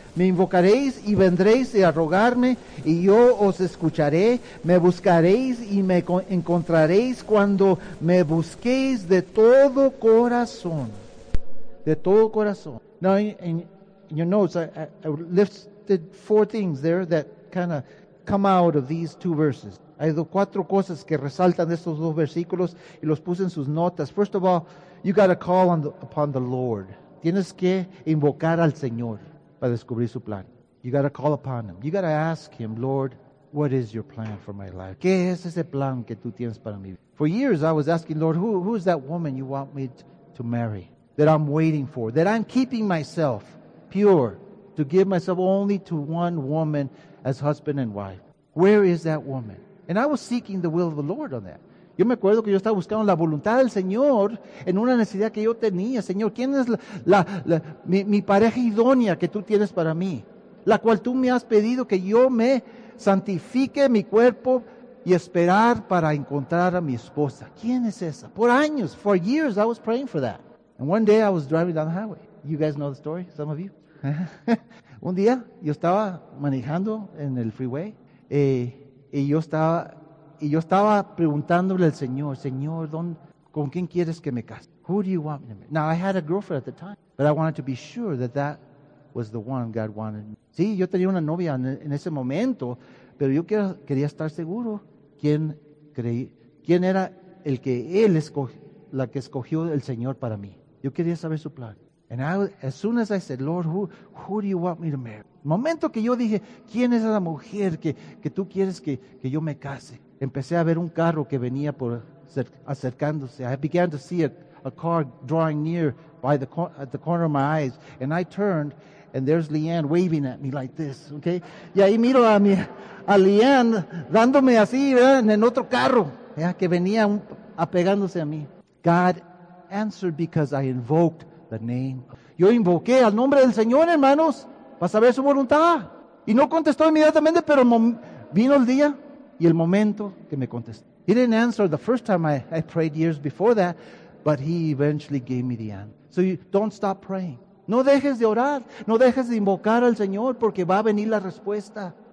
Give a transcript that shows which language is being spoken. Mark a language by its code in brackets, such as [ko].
[es] Me invocaréis y vendréis a rogarme y yo os escucharé. Me buscaréis y me encontraréis cuando me busquéis de todo corazón. De todo corazón. [en] Now, in your notes, I lifted four things there that kind of come out of these two verses. [es] Hay cuatro cosas que resaltan de estos dos versículos y los puse en sus notas. [en] First of all, you got to call upon the Lord. [es] Tienes que invocar al Señor para descubrir su plan. [en] You got to call upon him. You got to ask him, Lord, what is your plan for my life? [es] ¿Qué es ese plan que tú tienes para mí? [en] For years I was asking, Lord, who is that woman you want me to marry that I'm waiting for, that I'm keeping myself pure to give myself only to one woman as husband and wife? Where is that woman? And I was seeking the will of the Lord on that. [es] Yo me acuerdo que yo estaba buscando la voluntad del Señor en una necesidad que yo tenía. Señor, ¿quién es mi pareja idónea que tú tienes para mí? La cual tú me has pedido que yo me santifique mi cuerpo y esperar para encontrar a mi esposa. ¿Quién es esa? Por años, [en] for years, I was praying for that. And one day I was driving down the highway. You guys know the story, some of you. [es] Un día yo estaba manejando en el freeway y yo estaba preguntándole al Señor, Señor, ¿con quién quieres que me case? [en] Who do you want me to marry? Now, I had a girlfriend at the time, but I wanted to be sure that was the one God wanted me. [es] Sí, yo tenía una novia en ese momento, pero yo quería estar seguro quién era el que él escogió, la que escogió el Señor para mí. Yo quería saber su plan. [en] And as soon as I said, Lord, who do you want me to marry? [es] Momento que yo dije, ¿quién es la mujer que tú quieres que yo me case? Empecé a ver un carro que venía por acercándose. [en] I began to see a car drawing near by the at the corner of my eyes, and I turned, and there's Leanne waving at me like this, okay? [es] Y ahí miro a Leanne dándome así, ¿verdad? En otro carro, ya que venía apegándose a mí. [en] God answered because I invoked the name. [es] Yo invoqué al nombre del Señor, hermanos, para saber su voluntad. Y no contestó inmediatamente, pero vino el día y el momento que me contestó. [en] He didn't answer the first time I prayed years before that, but he eventually gave me the answer. So you don't stop praying. [es] No dejes de orar. No dejes de invocar al Señor porque va a venir la respuesta.